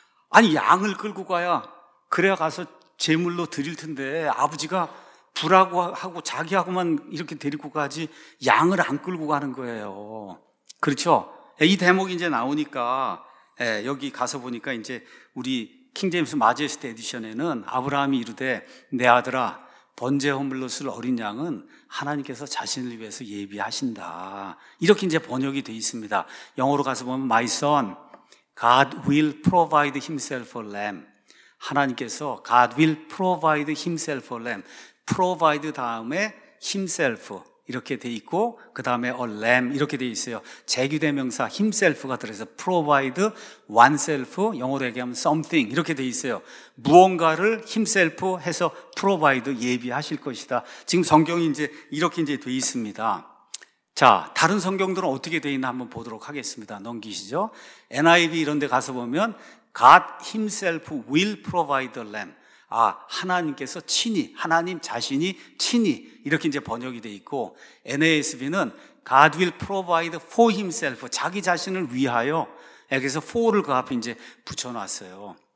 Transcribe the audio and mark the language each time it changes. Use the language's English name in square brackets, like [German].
[Korean] 아니 양을 끌고 가야 그래야 가서 제물로 드릴 텐데 아버지가 불하고 하고 자기하고만 이렇게 데리고 가지 양을 안 끌고 가는 거예요. 그렇죠? 이 대목이 이제 나오니까 여기 가서 보니까 이제 우리 킹제임스 마제스트 에디션에는 아브라함이 이르되 내 아들아 번제 허물로 쓸 어린 양은 하나님께서 자신을 위해서 예비하신다 이렇게 이제 번역이 돼 있습니다. 영어로 가서 보면 [English] My son, God will provide himself a lamb. 하나님께서 God will provide himself a lamb. [Korean] provide 다음에 himself 이렇게 돼 있고 그 다음에 a lamb 이렇게 돼 있어요. 재규대명사 himself가 들어서 provide oneself 영어로 얘기하면 something 이렇게 돼 있어요. 무언가를 himself 해서 provide 예비하실 것이다. 지금 성경이 이제 이렇게 이제 돼 있습니다. 자, 다른 성경들은 어떻게 돼 있나 한번 보도록 하겠습니다. 넘기시죠. [English] NIV [Korean] 이런 데 가서 보면 [English] God himself will provide the lamb. [Korean] 아, 하나님께서 친히, 하나님 자신이 친히 이렇게 이제 번역이 돼 있고 NASB는 [English] God will provide for himself, [Korean] 자기 자신을 위하여 여기서 for를 그 앞에 이제 붙여놨어요.